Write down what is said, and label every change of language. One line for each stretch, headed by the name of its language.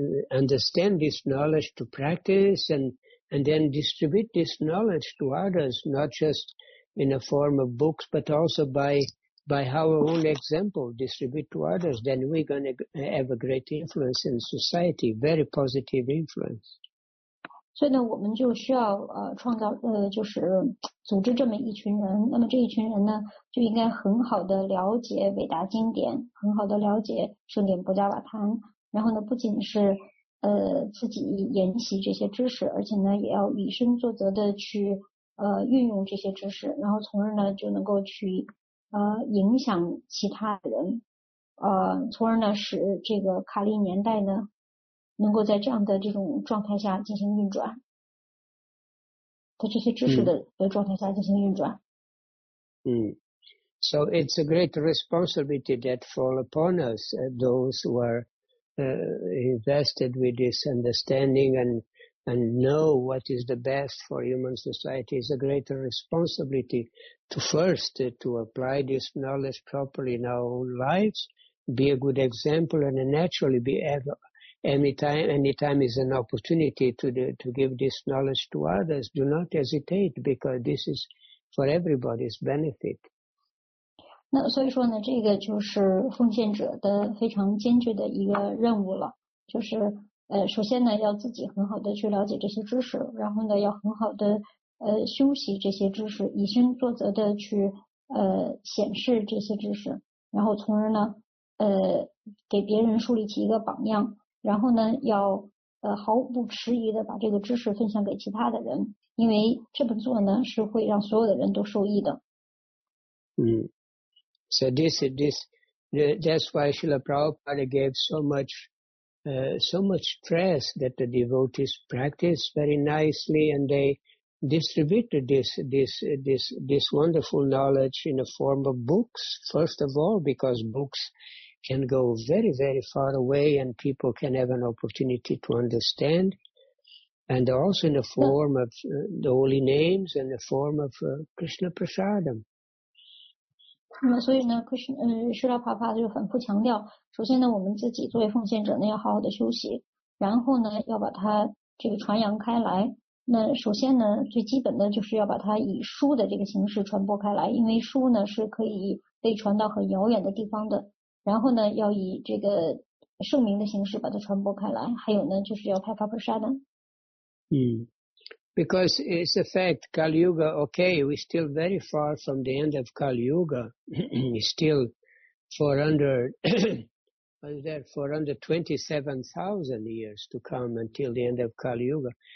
English: understand this knowledge, to practice, and then distribute this knowledge to others, not just in a form of books, but also by our own example, distribute to others. Then we're going to have a great influence in society, very positive influence.
Chinese: 所以呢我们就需要创造就是组织这么一群人那么这一群人呢就应该很好的了解伟大经典很好的了解圣典波迦瓦坛然后呢不仅是自己研习这些知识而且呢也要以身作则的去运用这些知识然后从而呢就能够去影响其他人从而呢使这个卡利年代呢能够在这样的这种状态下进行运转在这些知识的状态下进行运转
English: So it's a great responsibility that fall upon us those who are invested with this understanding and know what is the best for human society is a great responsibility to first to apply this knowledge properly in our own lives be a good example and naturally be everAnytime is an opportunity to give this knowledge to others. Do not hesitate because this is for everybody's benefit.
Chinese: 那所以说呢，这个就是奉献者的非常艰巨的一个任务了。就是首先呢，要自己很好的去了解这些知识，然后呢，要很好的修习这些知识，以身作则的去显示这些知识，然后从而呢给别人树立起一个榜样。然后呢要毫不迟疑的把这个知识分享给其他的人因为这么做呢是会让所有的人都受益的。
English: So this that's why Srila Prabhupada gave so much stress that the devotees practice very nicely and they distribute this wonderful knowledge in the form of books, first of all, because books can go very, very far away and people can have an opportunity to understand. And also in the form of the holy names and the form of Krishna Prasadam.
Chinese: 那么所以呢 Srila Prabhupada 就反复强调首先呢我们自己作为奉献者呢要好好的休息然后呢要把它这个传扬开来。那首先呢最基本的就是要把它以书的这个形式传播开来因为书呢是可以被传到很遥远的地方的。然后呢要以这个圣名的形式把它传播开来还有呢就是要派发菩萨的。
English: Because it's a fact, Kali Yuga, okay, we're still very far from the end of Kali Yuga. It's still 427,000 years to come until the end of Kali Yuga.